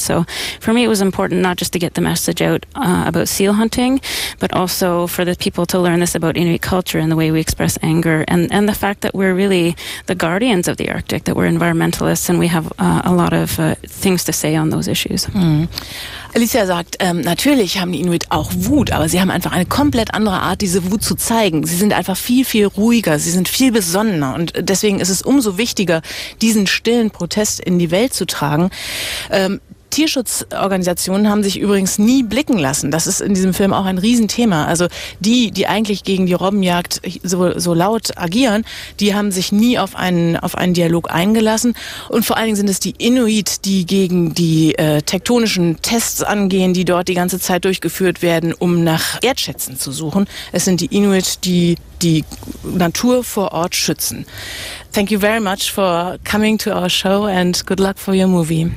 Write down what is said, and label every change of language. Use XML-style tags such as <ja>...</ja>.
<en>So for me, it was important not just to get the message out about seal hunting, but also for the people to learn this about Inuit culture and the way we express anger, and the fact that we're really the guardians of the Arctic, that we're environmentalists and we have a lot of things to say on those issues.</en> <de>Alicia sagt, natürlich haben die Inuit auch Wut, aber sie haben einfach eine komplett andere Art, diese Wut zu zeigen. Sie sind einfach viel, viel ruhiger, sie sind viel besonnener und deswegen ist es umso wichtiger, diesen stillen Protest in die Welt zu tragen. Tierschutzorganisationen haben sich übrigens nie blicken lassen. Das ist in diesem Film auch ein Riesenthema. Also die, die eigentlich gegen die Robbenjagd so laut agieren, die haben sich nie auf einen Dialog eingelassen. Und vor allen Dingen sind es die Inuit, die gegen die tektonischen Tests angehen, die dort die ganze Zeit durchgeführt werden, um nach Erdschätzen zu suchen. Es sind die Inuit, die die Natur vor Ort schützen.</de> <en>Thank you very much for coming to our show and good luck for your movie.</en>